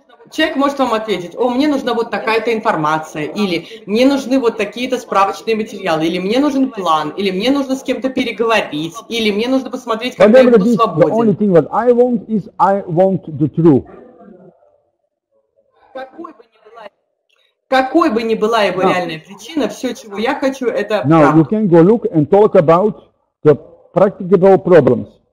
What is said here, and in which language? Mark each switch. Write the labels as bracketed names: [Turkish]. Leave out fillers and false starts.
[Russian] Человек может вам ответить, о, мне нужна вот такая-то информация, или мне нужны вот такие-то справочные материалы, или мне нужен план, или мне нужно с кем-то переговорить, или мне нужно посмотреть, когда я буду свободен. [English] The only thing that I want is I want the truth. [Russian] Какой бы ни была его реальная причина, все, чего я хочу, это правда. [English] Now, you can go look and talk about the practicable problems.